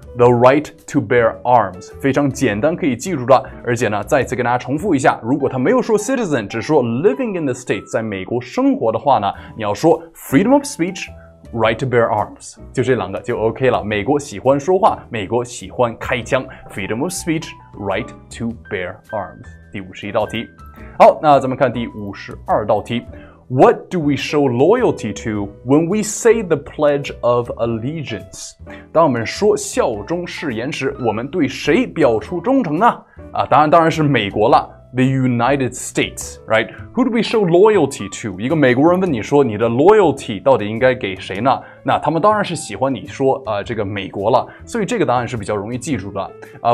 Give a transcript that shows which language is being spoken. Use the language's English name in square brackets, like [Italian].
[English] The right to bear arms， [Chinese] 非常简单可以记住的，而且呢再次跟大家重复一下，如果他没有说 citizen， 只说 [English] living in the state， [Chinese] 在美国生活的话呢，你要说 [English] freedom of speech， right to bear arms， [Chinese] 就这两个就 OK 了。美国喜欢说话，美国喜欢开枪， [English] freedom of speech， right to bear arms。 [Chinese] 第51道题，好，那咱们看第52道题。 [English] What do we show loyalty to when we say the Pledge of Allegiance? [Chinese] 当我们说效忠誓言时，我们对谁表出忠诚呢？当然是美国了。 [English] The United States, right? Who do we show loyalty to? [Chinese] 一个美国人问你说你的 loyalty 到底应该给谁呢？那他们当然是喜欢你说、这个美国了。所以这个答案是比较容易记住的。